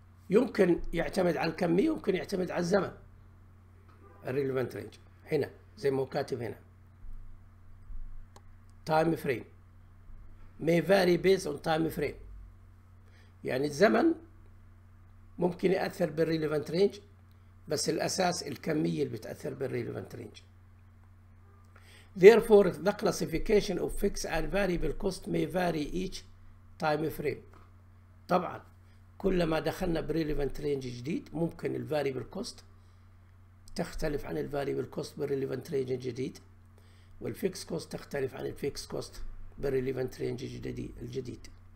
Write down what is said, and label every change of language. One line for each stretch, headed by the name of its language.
Arabic: يمكن يعتمد على الكميه، يمكن يعتمد على الزمن. الريليفنت رينج هنا زي ما هو كاتب هنا. تايم فريم
English: may vary based on time frame،
Arabic: يعني الزمن ممكن يأثر بالريليفنت رينج، بس الأساس الكمية اللي بتأثر بالريليفنت رينج.
English: Therefore the classification of fixed and variable cost may vary each time frame.
Arabic: طبعا كلما دخلنا بريليفنت رينج جديد ممكن الفاريبل كوست تختلف عن الفاريبل كوست بريليفنت رينج جديد، والفيكس كوست تختلف عن الفيكس كوست بريليفنت رينج الجديد.